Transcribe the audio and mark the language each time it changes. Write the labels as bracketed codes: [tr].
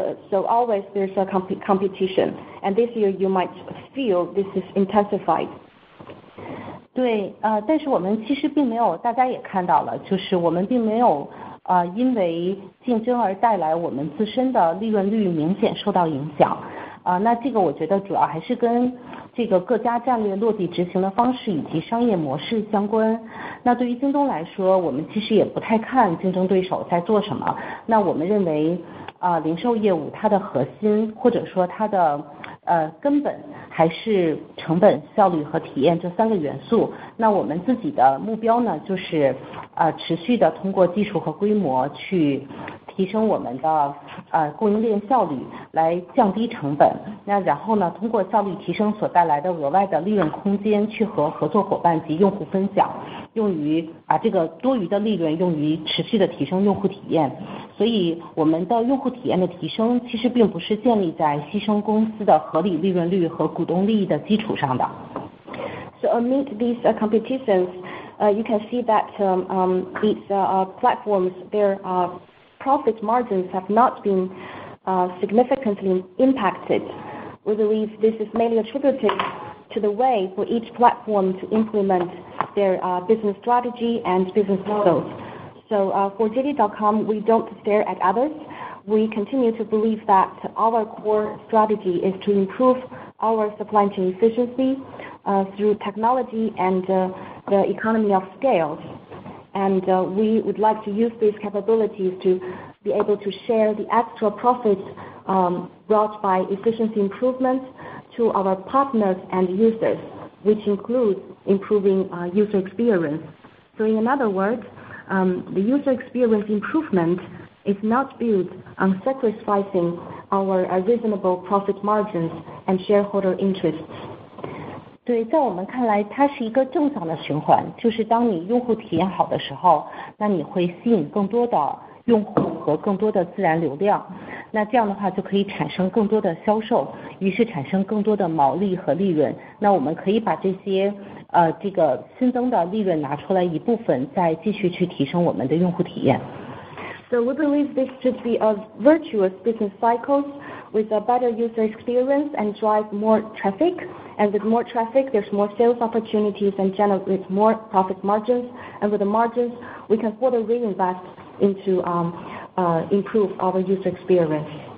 [en] So always there's a competition, and this year you might feel this is intensified. [zh] 对，但是我们其实并没有，大家也看到了，就是我们并没有因为竞争而带来我们自身的利润率明显受到影响。那这个我觉得主要还是跟这个各家战略落地执行的方式以及商业模式相关。那对于京东来说，我们其实也不太看竞争对手在做什么。那我们认为，零售业务它的核心或者说它的根本还是成本、效率和体验这三个元素。那我们自己的目标呢，就是持续的通过技术和规模去提升我们的供应链效率，来降低成本。那然后呢，通过效率提升所带来的额外的利润空间，去和合作伙伴及用户分享，用于把这个多余的利润用于持续的提升用户体验。所以我们的用户体验的提升，其实并不是建立在牺牲公司的合理利润率和股东利益的基础上的。 [en] So amid these competitions, you can see that these platforms, profit margins have not been significantly impacted. We believe this is mainly attributed to the way for each platform to implement their business strategy and business models. So for JD.com, we don't stare at others. We continue to believe that our core strategy is to improve our supply chain efficiency through technology and the economy of scale. And we would like to use these capabilities to be able to share the extra profits brought by efficiency improvements to our partners and users, which includes improving user experience. So in another word, the user experience improvement is not built on sacrificing our reasonable profit margins and shareholder interests. [zh] 对，在我们看来，它是一个正向的循环，就是当你用户体验好的时候，那你会吸引更多的用户和更多的自然流量，那这样的话就可以产生更多的销售，于是产生更多的毛利和利润。那我们可以把这些这个新增的利润拿出来一部分，再继续去提升我们的用户体验。 [en] So we believe this should be a virtuous business cycle with a better user experience and drive more traffic And with more traffic, there's more sales opportunities and generate more profit margins. And with the margins, we can further reinvest into improve our user experience.